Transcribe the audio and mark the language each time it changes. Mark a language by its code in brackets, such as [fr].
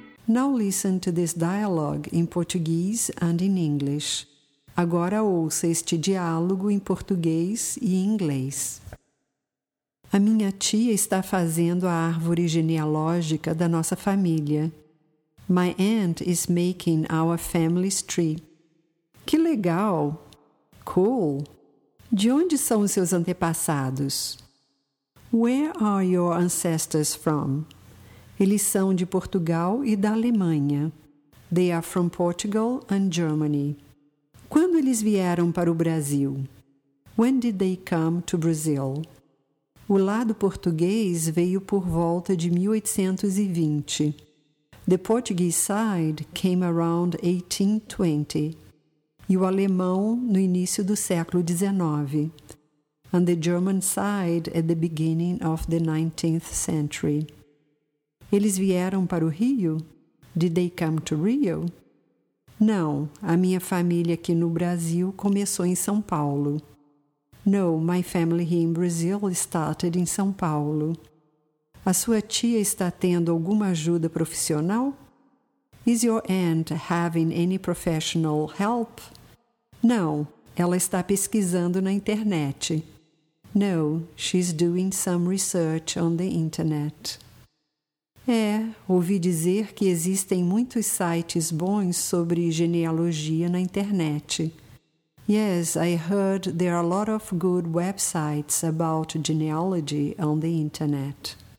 [en] Now listen to this dialogue in Portuguese and in English. [pt] Agora ouça este diálogo em português e em inglês. A minha tia está fazendo a árvore genealógica da nossa família. [en] My aunt is making our family's tree. [pt] Que legal! [en] Cool! [pt] De onde são os seus antepassados? [en] Where are your ancestors from? [pt] Eles são de Portugal e da Alemanha. [en] They are from Portugal and Germany. [pt] Quando eles vieram para o Brasil? [en] When did they come to Brazil? [pt] O lado português veio por volta de 1820. [en] The Portuguese side came around 1820. [pt] E o alemão no início do século XIX. [en] And the German side at the beginning of the 19th century. [pt] Eles vieram para o Rio? [en] Did they come to Rio? [pt] Não, a minha família aqui no Brasil começou em São Paulo. [en] No, my family here in Brazil started in São Paulo. [pt] A sua tia está tendo alguma ajuda profissional? [en] Is your aunt having any professional help? [pt] Não, ela está pesquisando na internet. [en] No, she's doing some research on the internet. [pt] É, ouvi dizer que existem muitos sites bons sobre genealogia na internet. [en] Yes, I heard there are a lot of good websites about genealogy on the internet.